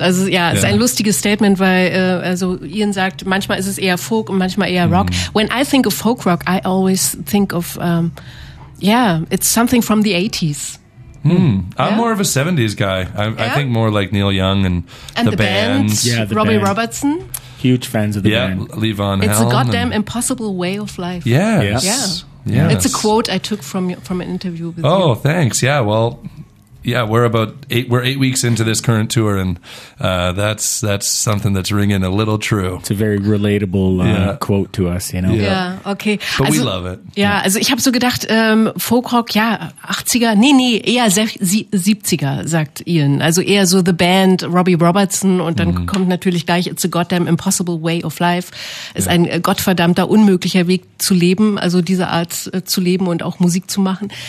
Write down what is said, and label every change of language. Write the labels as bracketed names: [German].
[German] Also ja, es ist ein lustiges Statement, weil also Ian sagt, manchmal ist es eher Folk und manchmal eher Rock. [English] When I think of folk rock, I always think of, it's something from the 80s. I'm more of a 70s guy. I think more like Neil Young and the band. Yeah, the Robbie band. Robertson. Huge fans of the band. Yeah, Levon Helm. It's Helm a goddamn impossible way of life. Yes. It's a quote I took from an interview with you. Oh, thanks. Yeah, well, yeah, we're eight weeks into this current tour, and that's something that's ringing a little true. It's a very relatable quote to us, you know. Yeah, yeah, okay. But also, we love it. [German] Yeah, also ich habe so gedacht, Folkrock, ja, 80er, nee, eher 70er, sagt Ian. Also eher so the band Robbie Robertson, und dann kommt natürlich gleich [English] It's a Goddamn Impossible Way of Life. [German] Ist ein gottverdammter, unmöglicher Weg zu leben, also diese Art zu leben und auch Musik zu machen.